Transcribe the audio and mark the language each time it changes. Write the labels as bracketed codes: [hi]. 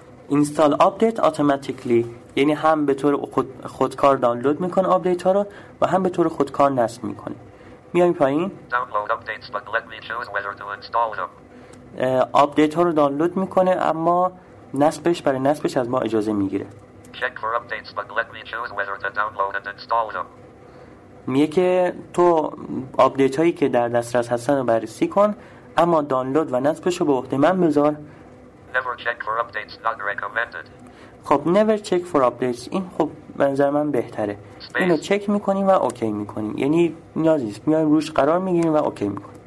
[en] Install update automatically [fa] یعنی هم به طور خودکار دانلود میکنه آپدیت ها رو و هم به طور خودکار نصب میکنه. میایم پایین. [en] Download updates but let me choose whether to install them. [fa] آپدیت ها رو دانلود میکنه اما نصبش برای نصبش از ما اجازه میگیره. [en] Check for updates but let me choose whether to download and install them. [fa] میگه که تو آپدیت هایی که در دسترس هستن رو بررسی کن اما دانلود و نصبش رو به عهده من بذار. [en] Never check for updates not recommended. [fa] خب [en] never check for updates [fa] این خب منظر من بهتره. [en] Space. [fa] اینو چک میکنیم و اوکی میکنیم، یعنی نیازی نیست، میایم روش قرار میگیریم و اوکی میکنیم.